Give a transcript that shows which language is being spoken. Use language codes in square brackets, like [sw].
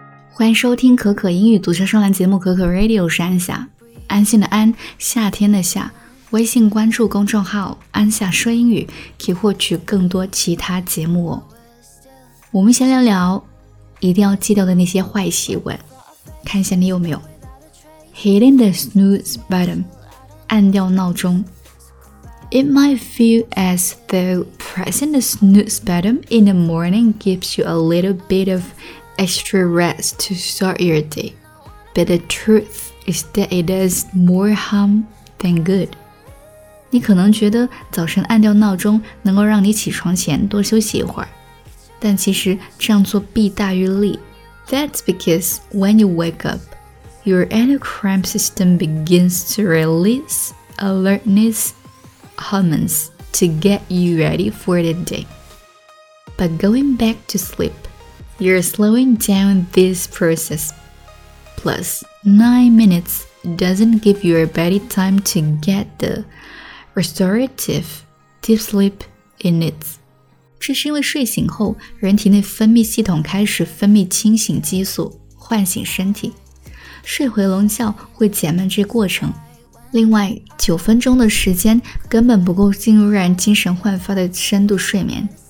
[zh] 欢迎收听可可英语读者专栏节目可可 Radio， 我是安夏，安心的安，夏天的夏。微信关注公众号安夏说英语，可以获取更多其他节目哦。我们先聊聊一定要戒掉的那些坏习惯，看一下你有没有。 [en] Hitting the snooze button， [zh] 按掉闹钟。 [en] It might feel as though pressing the snooze button in the morning gives you a little bit of extra rest to start your day， But the truth is that it does more harm than good。 [zh] 你可能觉得早晨按掉闹钟能够让你起床前多休息一会儿，但其实这样做弊大于利。 [en] That's because when you wake up, your endocrine system begins to release alertness hormones to get you ready for the day. But going back to sleep, you're slowing down this process. Plus, 9 minutes doesn't give your body time to get the restorative deep sleep it needs. [zh] 这是因为睡醒后，人体内分泌系统开始分泌清醒激素，唤醒身体。睡回笼觉会减慢这过程。另外，9分钟的时间根本不够进入让人精神焕发的深度睡眠。